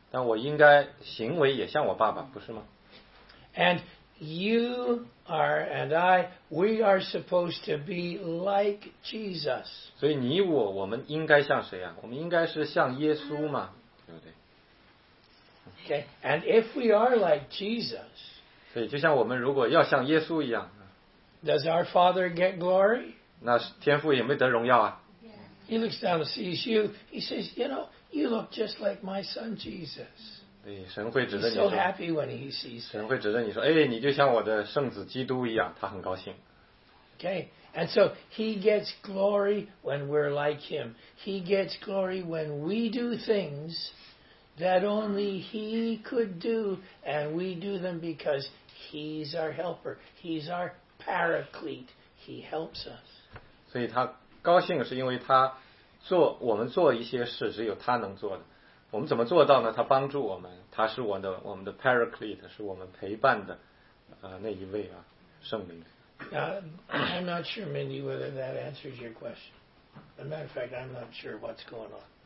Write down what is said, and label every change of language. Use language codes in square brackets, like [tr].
[zh] 但我应该行为也像我爸爸，不是吗？ [en] And you are, and I, we are supposed to be like Jesus. [zh] 所以你我，我们应该像谁啊？我们应该是像耶稣嘛，对不对？ [en] Okay, and if we are like Jesus, [zh] 所以就像我们如果要像耶稣一样， [en] does our Father get glory? [zh] 那天父也没得荣耀啊。 [en] He looks down and sees you. He says, "You know, you look just like my son Jesus." [zh] 对，神会指着你说。 [en] He's so happy when he sees. [zh] 神会指着你说，哎，你就像我的圣子基督一样，他很高兴。 [en] Okay, and so he gets glory when we're like him. He gets glory when we do things that only he could do, and we do them because he's our helper. He's our paraclete. He helps us. [zh] 所以他高兴是因为他做我们做一些事只有他能做的，我们怎么做到呢？他帮助我们，他是我们的 paraclete， 是我们陪伴的那一位啊，圣灵。 [en] I'm not sure, Mindy, whether that answers your question. As a matter of fact, I'm not sure what's going on.